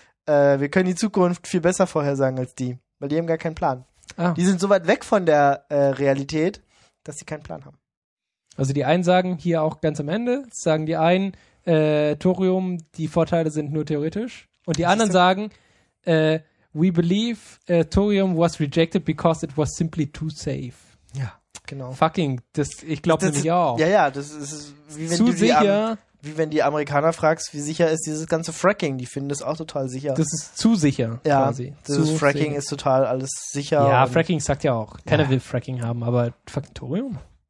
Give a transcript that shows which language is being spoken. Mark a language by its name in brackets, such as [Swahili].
[German] Wir können die Zukunft viel besser vorhersagen als die, weil die haben gar keinen Plan. Ah. Die sind so weit weg von der Realität, dass sie keinen Plan haben. Also die einen sagen hier auch ganz am Ende, sagen die einen, Thorium, die Vorteile sind nur theoretisch. Und die anderen sagen, [English] we believe Thorium was rejected because it was simply too safe. [German] Ja. Genau. Fucking, das, ich glaube nämlich auch. Ja, das ist wie wenn, zu du sicher. Wie wenn die Amerikaner fragst, wie sicher ist dieses ganze Fracking? Die finden das auch total sicher. Das ist zu sicher, ja, quasi. Das ist Fracking sicher. Ist total alles sicher. Ja, Fracking sagt ja auch. Keiner will Fracking haben, aber fucking Thorium?